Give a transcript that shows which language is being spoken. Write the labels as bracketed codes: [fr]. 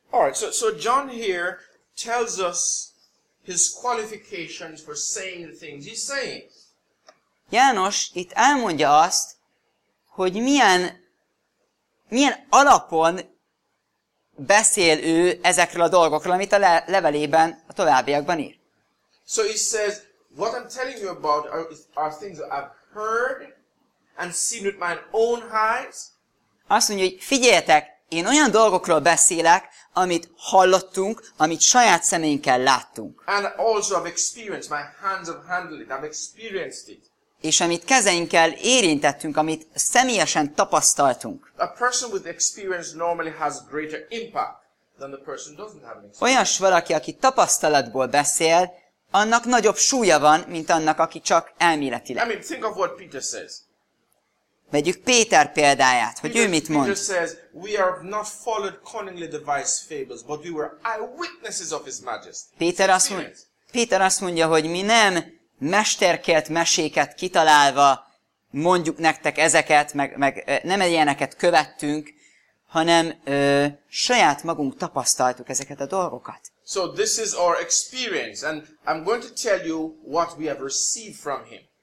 [en] Alright, so John here tells us his qualifications for saying the things he's saying. [hu] János itt elmondja azt, hogy milyen alapon beszél ő ezekről a dolgokról, amit a levelében, a továbbiakban ír. [en] So he says, what I'm telling you about are things that I've heard and seen with my own eyes. [hu] Azt mondja, hogy figyeljetek, én olyan dolgokról beszélek, amit hallottunk, amit saját szemeinkkel láttunk. [en] And also I've experienced, my hands have handled it, I've experienced it. [hu] És amit kezeinkkel érintettünk, amit személyesen tapasztaltunk. [en] A person with experience normally has greater impact than the person doesn't have experience. [hu] Olyas valaki, aki tapasztalatból beszél, annak nagyobb súlya van, mint annak, aki csak elméletileg. [en] I mean, think of what Peter says. [hu] Vegyük Péter példáját, hogy ő mit mond. [en] Peter says, we are not followed cunningly devised fables, but we were eyewitnesses of his majesty. [hu] Péter azt mondja, hogy mi nem mesterkelt meséket kitalálva mondjuk nektek ezeket, meg nem ilyeneket követtünk, hanem saját magunk tapasztaltuk ezeket a dolgokat. [en] So this is our experience, and I'm going to tell you what we have received from him.